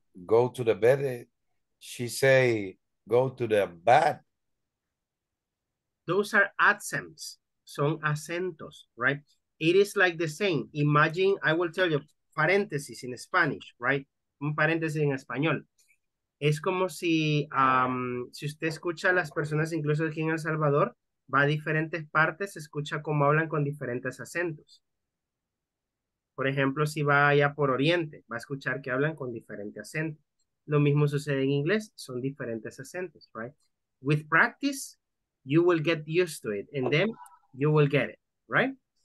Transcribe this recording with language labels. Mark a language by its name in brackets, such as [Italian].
[English] Go to the bed, she say, go to the bed. Those are accents, [Spanish] son acentos, [English] right? It is like the same. Imagine, I will tell you, paréntesis in Spanish, right? [Spanish] Un paréntesis en español. Es como si, si usted escucha a las personas, incluso aquí en El Salvador, va a diferentes partes, escucha cómo hablan con diferentes acentos. Por ejemplo, si va allá por Oriente, va a escuchar que hablan con diferente acento. Lo mismo sucede en inglés, son diferentes acentos, right? [English] With practice, you will get used to it, and then you will get it, right?